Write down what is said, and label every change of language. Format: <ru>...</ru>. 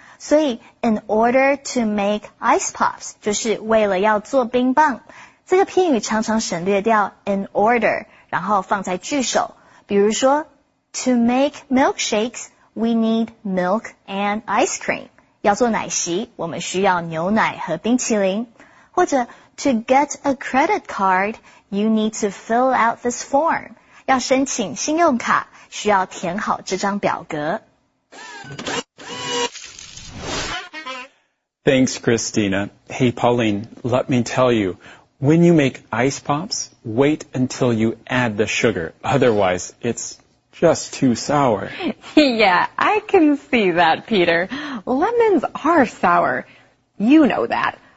<zh>所以</zh> <en>in order to make ice pops</en> <zh>就是为了要做冰棒。这个片语常常省略掉 in order, 然后放在句首。比如说</zh> <en>to make milkshakes, we need milk and ice cream.</en> <zh>要做奶昔我们需要牛奶和冰淇淋。或者</zh> <en>to get a credit card,You need to fill out this form.</en> <zh>要申请信用卡，需要填好这张表格。</zh> <en>Thanks, Christina. Hey, Pauline, let me tell you, when you make ice pops, wait until you add the sugar. Otherwise, it's just too sour. Yeah, I can see that, Peter. Lemons are sour. You know that.</en>